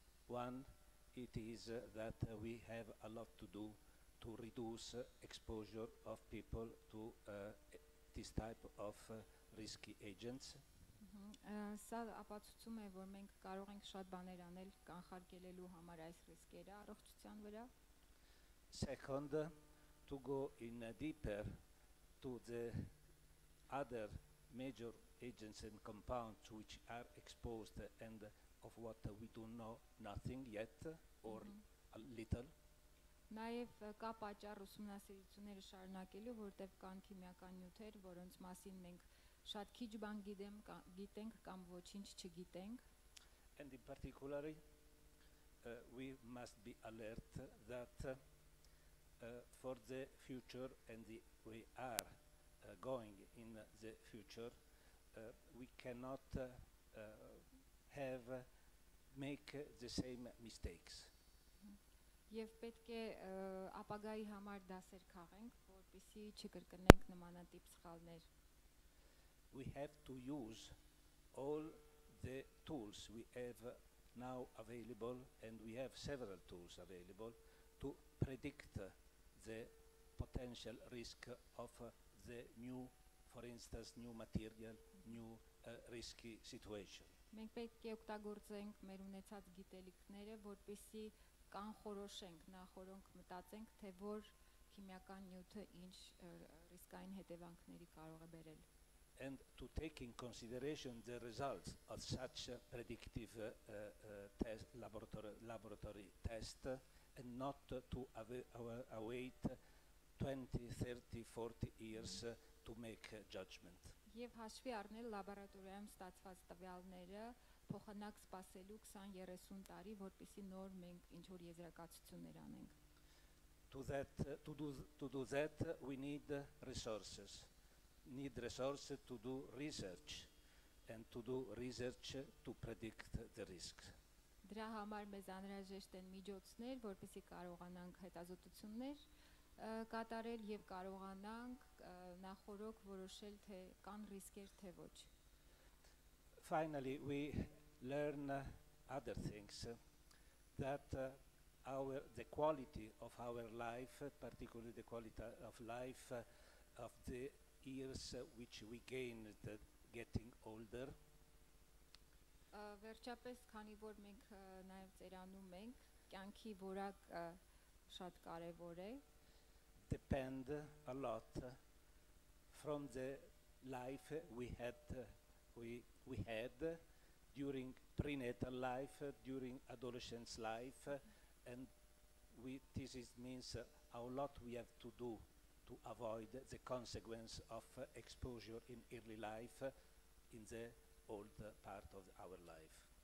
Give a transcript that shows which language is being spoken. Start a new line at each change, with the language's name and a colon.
English: One, it is that we have a lot to do to reduce exposure of people to this type of risky agents.
Armenian: Սա ապացուցում է, որ մենք կարող ենք շատ բաներ անել կանխարգելելու համար այս ռիսկերը առողջության վրա.
English: Second, to go in deeper to the other major agents and compounds which are exposed and of what we do know nothing yet or a little.
Armenian: Նաև կա պատճառ ուսումնասիրությունները շարունակելու, որտեղ կան քիմիական նյութեր, որոնց մասին մենք շատ քիչ բան գիտենք կամ ոչինչ չգիտենք.
English: And in particular, we must be alert that for the future and we are going in the future, we cannot make the same mistakes.
Armenian: Եվ պետք է ապագայի համար դասեր քաղենք, որպեսզի չկրկնենք նմանատիպ սխալներ.
English: We have to use all the tools we have now available, and we have several tools available to predict the potential risk of the new, for instance, new material, new risky situation.
Armenian: Մենք պետք է օգտագործենք մեր ունեցած գիտելիքները, որպեսզի կանխորոշենք, նախորոնք մտածենք, թե որ քիմիական նյութը ինչ ռիսկային հետևանքների կարող է բերել.
English: And to take in consideration the results of such predictive test, laboratory test, and not to await 20, 30, 40 years to make judgment.
Armenian: Եվ հաշվի առնել լաբորատորիայում ստացված տվյալները, փոխանակ սպասելու 20-30 տարի, որպեսզի նոր մենք ինչ-որ եզրակացություններ անենք.
English: To do that, we need resources. Need resources to do research, and to do research to predict the risks.
Armenian: Դրա համար մեզ անհրաժեշտ են միջոցներ, որպեսզի կարողանանք հետազոտություններ կատարել եւ կարողանանք նախորոք որոշել, թե կան ռիսկեր, թե ոչ.
English: Finally, we learn other things that the quality of our life, particularly the quality of life of the years which we gain getting older.
Armenian: Վերջապես, քանի որ մենք նաև ծերանում ենք, կյանքի որակ շատ կարևոր է.
English: Depend a lot from the life we had during prenatal life, during adolescence life, and this means how lot we have to do to avoid the consequence of exposure in early life in the old part of our life.